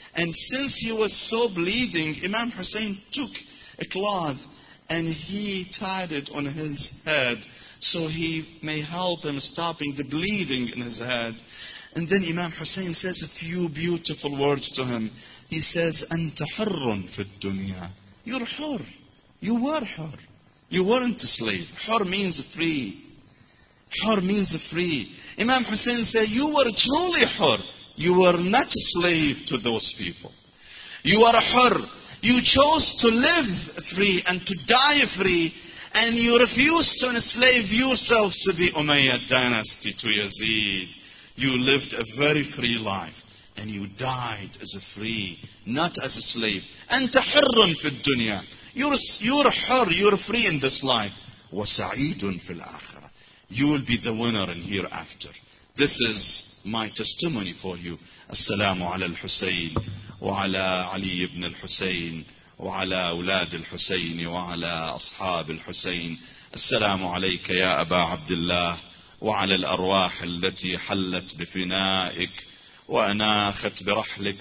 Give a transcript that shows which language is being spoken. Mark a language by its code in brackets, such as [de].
[en] And since he was so bleeding, Imam Hussein took a cloth and he tied it on his head so he may help him stopping the bleeding in his head. And then Imam Hussein says a few beautiful words to him. He says, [ar] أنت حر في الدنيا. [en] You're حر. You were حر. You weren't a slave. Hur means free. Hur means free. Imam Hussein said, you were truly hur. You were not a slave to those people. You are a hur. You chose to live free and to die free. And you refused to enslave yourself to the Umayyad dynasty, to Yazid. You lived a very free life. And you died as a free, not as a slave. [ar] أنت حر في الدنيا. [en] You're hur, you're free in this life. [ar] وسعيد في الآخرة. [en] You will be the winner in hereafter. This is my testimony for you. [ar] السلام على الحسين وعلى علي بن الحسين وعلى أولاد الحسين وعلى أصحاب الحسين. السلام عليك يا أبا عبد الله وعلى الأرواح التي حلت بفنائك وأناخت برحلك.